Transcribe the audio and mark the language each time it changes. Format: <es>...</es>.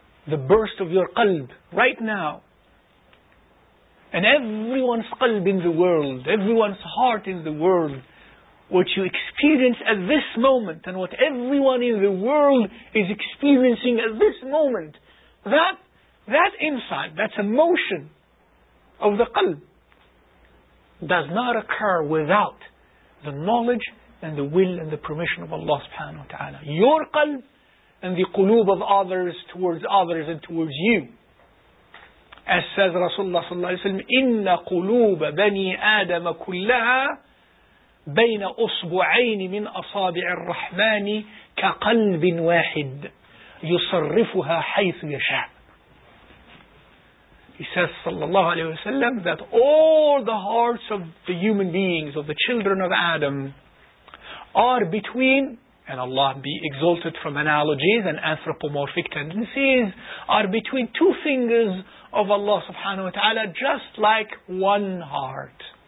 <en>The burst of your qalb right now, and everyone's qalb in the world, everyone's heart in the world, what you experience at this moment and what everyone in the world is experiencing at this moment, that insight, that emotion of the qalb does not occur without the knowledge and the will and the permission of Allah subhanahu wa ta'ala. Your qalb and the qulub of others towards others and towards you. As says Rasulullah sallallahu alayhi wa sallam,</en> <ar>إِنَّ قُلُوبَ بَنِي آدَمَ كُلَّهَا بَيْنَ أُصْبُعَيْنِ مِنْ أَصَابِعِ الرَّحْمَانِ كَقَلْبٍ وَاحِدٍ يُصَرِّفُهَا حَيْثُ يَشَاءُ.</ar> <en>He says sallallahu alayhi wa sallam that all the hearts of the human beings, of the children of Adam, are between, and Allah be exalted from analogies and anthropomorphic tendencies, are between two fingers of Allah subhanahu wa ta'ala, just like one heart.</en>